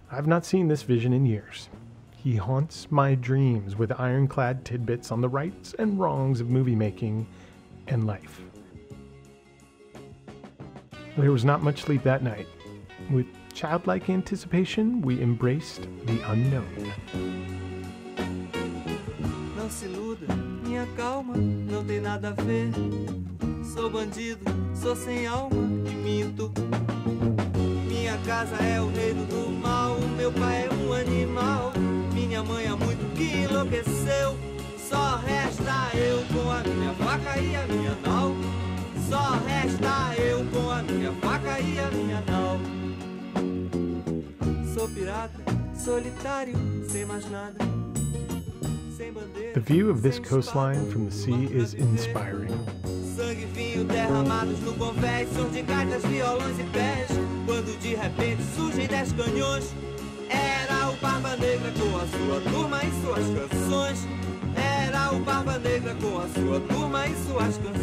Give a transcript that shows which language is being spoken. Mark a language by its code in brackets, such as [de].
[en] I've not seen this vision in years. He haunts my dreams with ironclad tidbits on the rights and wrongs of movie making and life. There was not much sleep that night. With childlike anticipation, we embraced the unknown. [pt] Não se iluda, minha calma, não tem nada a ver. Sou bandido, sou sem alma e minto. Minha casa é o reino do mal, meu pai é um animal. Minha mãe há muito que enlouqueceu. Só resta eu com a minha faca e a minha nau. Só resta eu com a minha faca e a minha nau. Sou pirata, solitário, sem mais nada. [en] The view of this coastline from the sea is inspiring. [pt] Sangue e vinho derramados no convés, som de cartas, violões e pés. Quando de repente surgem 10 canhões, era o Barba Negra com a sua turma e suas canções. Era o Barba Negra com a sua turma e suas canções.